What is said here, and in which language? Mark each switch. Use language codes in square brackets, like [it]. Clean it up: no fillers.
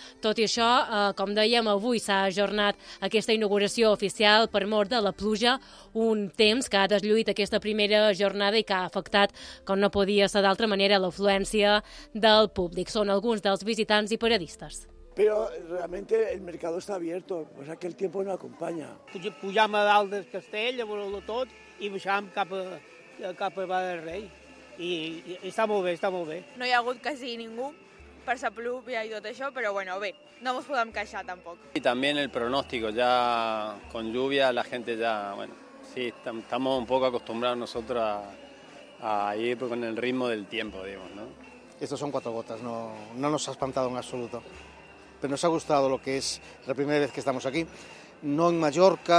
[ca] Tot i això, com dèiem, avui s'ha ajornat aquesta inauguració oficial per mort de la pluja, un temps que ha deslluït aquesta primera jornada i que ha afectat, com no podia ser d'altra manera, l'afluència del públic. Són alguns dels visitants i paradistes. [es] Però realmente el mercado está abierto, o sea que el tiempo no acompaña. [ca] Pujam a dalt del castell, a veure-lo tot, i baixam cap a Vall del Rei. I està molt bé, està molt bé. No hi ha hagut quasi ningú per la pluja i tot això, però bueno, bé, no ens podem queixar tampoc. I també el pronòstic, [es] ja con lluvia la gente ya, bueno, sí, estamos un poco acostumbrados nosotros a ir con el ritmo del tiempo, digamos, ¿no? Estos son cuatro gotas, no nos ha espantado en absoluto. Pero nos ha gustado lo que es la primera vez que estamos aquí, no en Mallorca,